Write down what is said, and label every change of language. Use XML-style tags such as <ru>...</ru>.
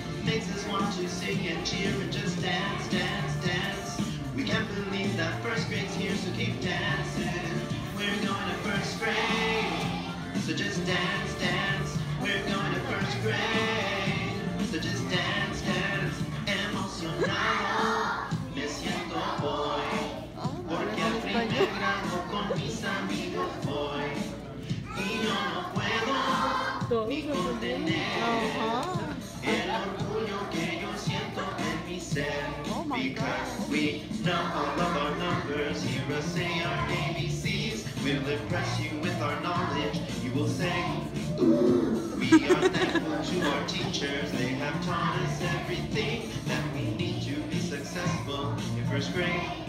<en>Makes us want to sing and cheer and just dance, dance, dance. We can't believe that first grade's here, so keep dancing. We're going to first grade, so just dance, dance. We're going to first grade, so just dance, dance.</en> <es>Emocionado, me siento hoy. Porque al primer grado con mis amigos voy. Y yo no puedo ni contener el orgullo que yo siento en mi ser.</es> <en>Because we know all of our numbers, hear us say our ABCs. We'll impress you with our knowledge, you will say, ooh. We are thankful to our teachers, they have taught us everything that we need to be successful in first grade.</en>